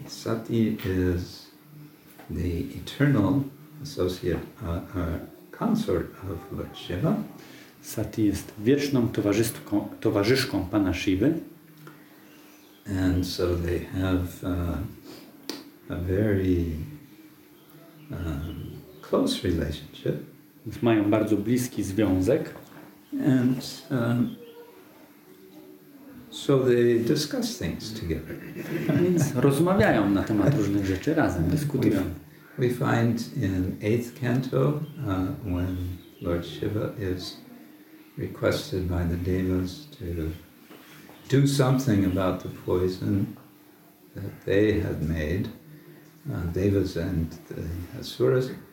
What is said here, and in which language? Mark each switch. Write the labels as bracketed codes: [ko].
[en] Sati is the eternal associate, consort of Lord Shiva. [pl] Sati jest wieczną towarzyszką Pana Shivy. [en] And so they have a very close relationship. [pl] Mają bardzo bliski związek. [en] And so they discuss things together. [pl] Rozmawiają na temat różnych rzeczy razem, dyskutują. [en] We find in eighth canto when Lord Shiva is requested by the devas to do something about the poison that they had made, devas and the asuras,